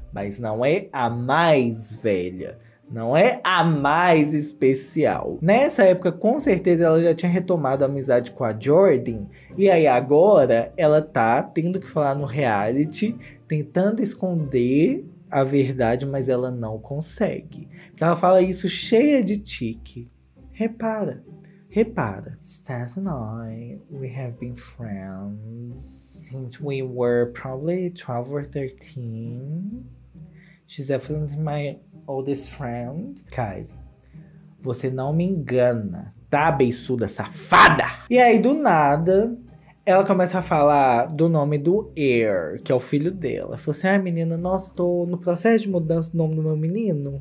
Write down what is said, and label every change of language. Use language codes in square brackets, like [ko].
[pt] Mas não é a mais velha. Não é a mais especial. Nessa época, com certeza, ela já tinha retomado a amizade com a Jordan. E aí, agora, ela tá tendo que falar no reality, tentando esconder a verdade, mas ela não consegue. Porque ela fala isso cheia de tique. Repara, repara. [en] Stas and I, we have been friends since we were probably 12 or 13. She's definitely my oldest friend. [pt] Kylie, você não me engana, tá, beiçuda safada? E aí, do nada, ela começa a falar do nome do Air, que é o filho dela. Falou assim, ai, menina, nossa, tô no processo de mudança do nome do meu menino.